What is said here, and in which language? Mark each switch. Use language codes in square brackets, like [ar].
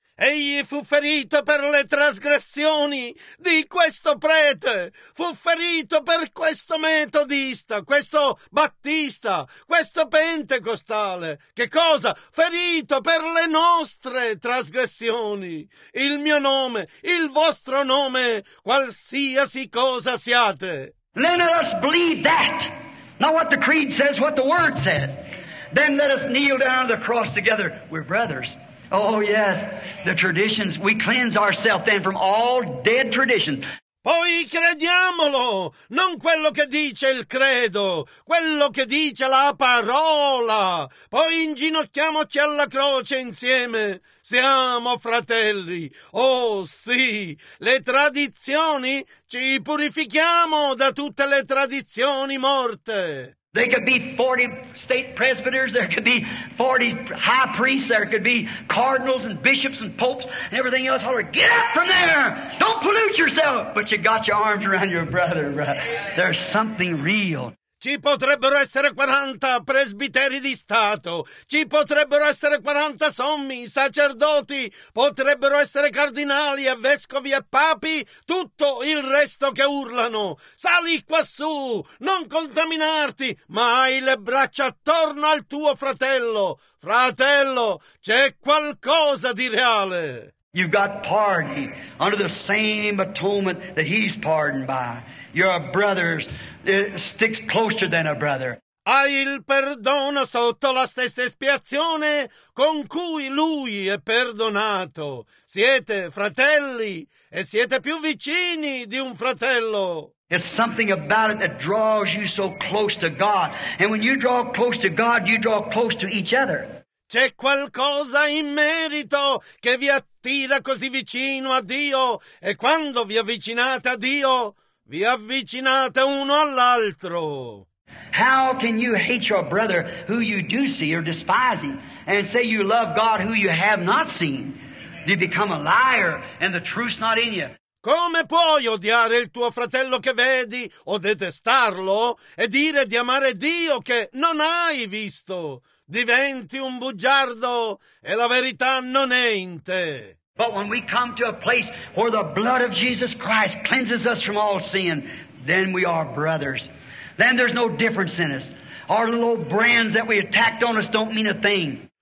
[it] Egli fu ferito per le trasgressioni di questo prete, fu ferito per questo metodista, questo battista, questo pentecostale. Che cosa? Ferito per le nostre trasgressioni. Il mio nome, il vostro nome, qualsiasi cosa siate. [en] Then let us bleed that. Not what the creed says, what the word says. Then let us kneel down on the cross together. We're brothers. Oh yes, the traditions, we cleanse ourselves then from all dead traditions. [it] Poi crediamolo, non quello che dice il credo, quello che dice la parola. Poi inginocchiamoci alla croce insieme. Siamo fratelli. Oh sì, le tradizioni, ci purifichiamo da tutte le tradizioni morte. [en] They could be 40 state presbyters, there could be 40 high priests, there could be cardinals and bishops and popes and everything else. Holler, get up from there! Don't pollute yourself! But you got your arms around your brother, right? There's something real. [it] Ci potrebbero essere 40 presbiteri di Stato, ci potrebbero essere 40 sommi, sacerdoti, potrebbero essere cardinali e vescovi e papi, tutto il resto che urlano. Sali quassù, non contaminarti, ma hai le braccia attorno al tuo fratello. Fratello, c'è qualcosa di reale. [en] You've got pardon under the same atonement that he's pardoned by. You're a brother's. It sticks closer than a brother. [it] Hai il perdono sotto la stessa espiazione con cui lui è perdonato. Siete fratelli e siete più vicini di un fratello. [en] It's something about it that draws you so close to God. And when you draw close to God, you draw close to each other. [it] C'è qualcosa in merito che vi attira così vicino a Dio. E quando vi avvicinate a Dio, vi avvicinate uno all'altro. [en] How can you hate your brother who you do see or despise him and say you love God who you have not seen? You become a liar and the truth's not in you. [it] Come puoi odiare il tuo fratello che vedi o detestarlo e dire di amare Dio che non hai visto? Diventi un bugiardo e la verità non è in te. [en] But when we come to a place where the blood of Jesus Christ cleanses us from all sin, then we are brothers. Then there's no difference in us. Our little brands that we attacked on us don't mean a thing.